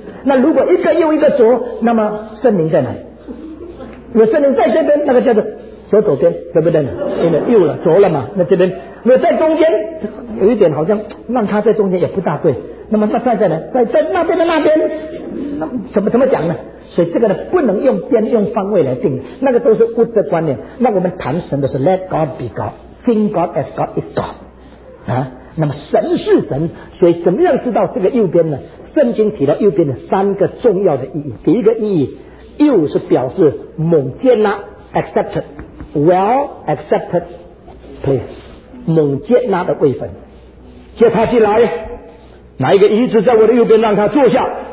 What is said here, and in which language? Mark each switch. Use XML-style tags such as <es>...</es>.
<zh>那如果一个右一个左，那么圣灵在哪里？有圣灵在这边，那个叫做左左边，对不对？因为右了左了嘛，那这边如果在中间，有一点好像让他在中间也不大对，那么他站在哪？在那边的那边，怎么讲呢？所以这个呢不能用边用方位来定，那个都是物质观念。那我们谈神的是</zh> <en>Let God be God， Think God as God is God、</en> <zh>那么神是神。所以怎么样知道这个右边呢？圣经提到右边的三个重要的意义。第一个意义，右是表示猛接纳</zh> <en>accepted well accepted place，</en> <zh>猛接纳的位分，接他进来，拿一个椅子在我的右边，让他坐下。</zh>